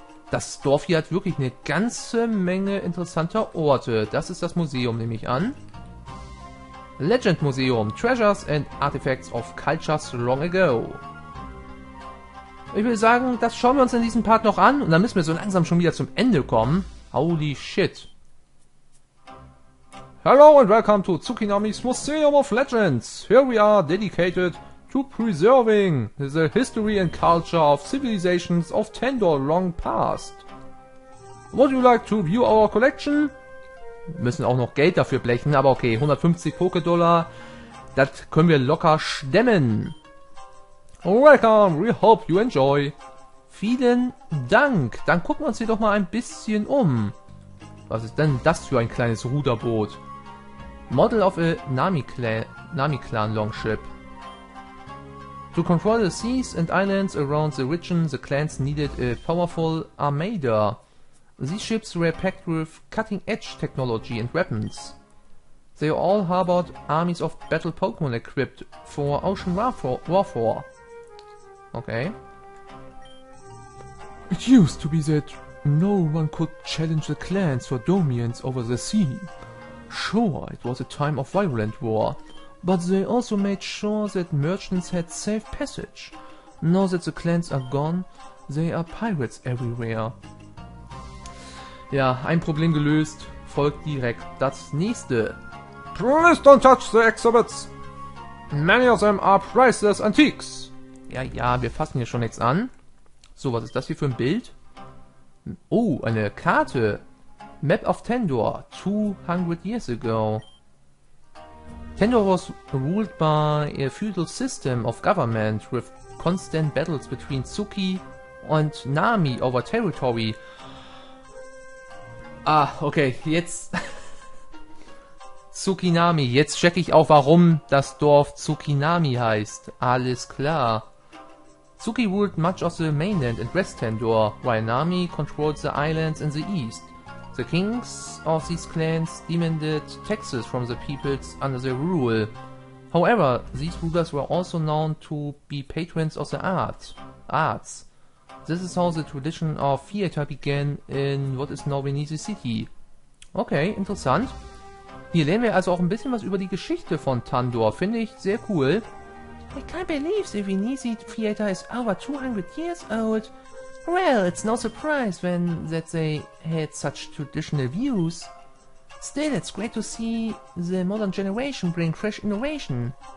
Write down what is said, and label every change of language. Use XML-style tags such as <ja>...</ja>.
<de>Das Dorf hier hat wirklich eine ganze Menge interessanter Orte. Das ist das Museum, nehme ich an.</de> <en>Legend Museum. Treasures and Artifacts of Cultures Long Ago.</en> <de>Ich will sagen, das schauen wir uns in diesem Part noch an und dann müssen wir so langsam schon wieder zum Ende kommen.</de> <en>Holy shit. Hello and welcome to Tsukinami's Museum of Legends. Here we are dedicated to preserving the history and culture of civilizations of Tendor long past. Would you like to view our collection?</en> <de>Wir müssen auch noch Geld dafür blechen, aber okay, 150 Poké-Dollar, das können wir locker stemmen.</de> <en>Welcome, we hope you enjoy.</en> <de>Vielen Dank. Dann gucken wir uns hier doch mal ein bisschen um. Was ist denn das für ein kleines Ruderboot?</de> <en>Model of a Nami-Clan Longship. To control the seas and islands around the region, the clans needed a powerful armada. These ships were packed with cutting-edge technology and weapons. They all harbored armies of battle Pokémon equipped for ocean warfare. Okay. It used to be that no one could challenge the clans for dominance over the sea. Sure, it was a time of violent war, but they also made sure that merchants had safe passage. Now that the clans are gone, they are pirates everywhere.</en> <de>Ja, ein Problem gelöst, folgt direkt das nächste.</de> <en>Please don't touch the exhibits! Many of them are priceless antiques!</en> <de>Ja, wir fassen hier schon nichts an. So, was ist das hier für ein Bild? Oh, eine Karte.</de> <en>Map of Tendor, 200 years ago. Tendor was ruled by a feudal system of government with constant battles between Tsuki and Nami over territory.</en> <de>Ah, okay, jetzt... Tsukinami, jetzt check ich auch, warum das Dorf Tsukinami heißt. Alles klar.</de> <en>Tsuki ruled much of the mainland and West Tendor, while Nami controlled the islands in the east. The kings of these clans demanded taxes from the peoples under their rule. However, these rulers were also known to be patrons of the arts. This is how the tradition of theater began in what is now Venice City.</en> <de>Okay, interessant. Hier lernen wir also auch ein bisschen was über die Geschichte von Tendor. Finde ich sehr cool.</de> <en>I can't believe the Venice Theater is over 200 years old. Well, it's no surprise when that they had such traditional views. Still, it's great to see the modern generation bring fresh innovation.</en>